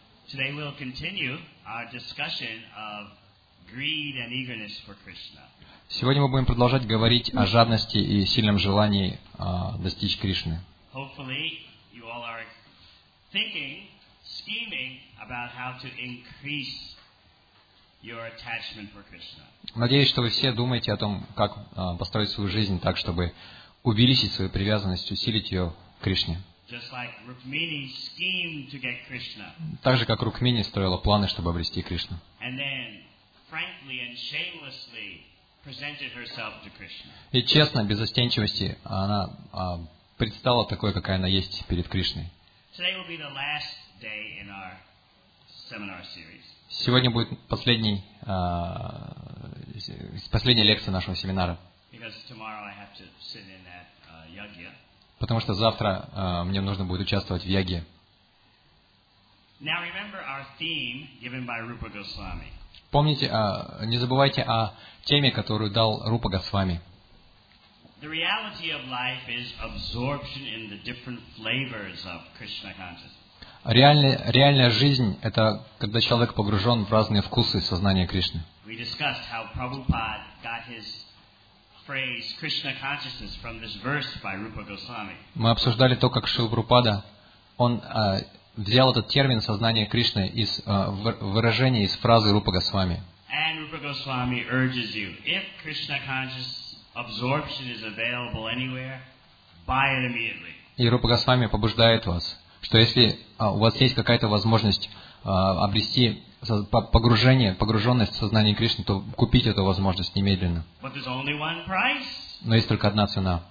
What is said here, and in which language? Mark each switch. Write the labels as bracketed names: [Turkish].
[English] Today we'll continue our discussion of greed and eagerness for Krishna. [Russian] Сегодня мы будем продолжать говорить о жадности и сильном желании достичь Кришны. [English] Hopefully you all are thinking, scheming about how to increase your attachment for Krishna. [Russian] Надеюсь, что вы все думаете о том, как построить свою жизнь так, чтобы увеличить свою привязанность, усилить ее к Кришне. [English] Just like Rukmini schemed to get Krishna. [Russian] Так же, как Рукмини строила планы, чтобы обрести Кришну. [English] And then, frankly and shamelessly presented herself to Krishna. [Russian] И честно, без застенчивости, она предстала такой, какая она есть перед Кришной. [English] Today will be the last day in our seminar series. [Russian] Сегодня будет последняя лекция нашего семинара. [English] Because tomorrow I have to sit in that yagya. [Russian] Потому что завтра мне нужно будет участвовать в яге. [English] Now remember our theme given by Rupa Goswami. [Russian] Помните, не забывайте о теме, которую дал Рупа Госвами. [English] The reality of life is absorption in the different flavors of Krishna consciousness. [Russian] Реальная жизнь – это когда человек погружен в разные вкусы сознания Кришны. [English] We discussed how Prabhupada got his phrase Krishna consciousness from this verse by Rupa Goswami. [Russian] Мы обсуждали то, как Шрила Прабхупада он взял этот термин сознание Кришны из выражения, из фразы Рупа Госвами. [English] And Rupa Goswami urges you, if Krishna consciousness absorption is available anywhere, buy it immediately. [Russian] И Рупа Госвами побуждает вас, что если у вас есть какая-то возможность обрести погруженность в сознание Кришны, то купить эту возможность немедленно. [English] But there's only one price. [Russian] Но есть только одна цена.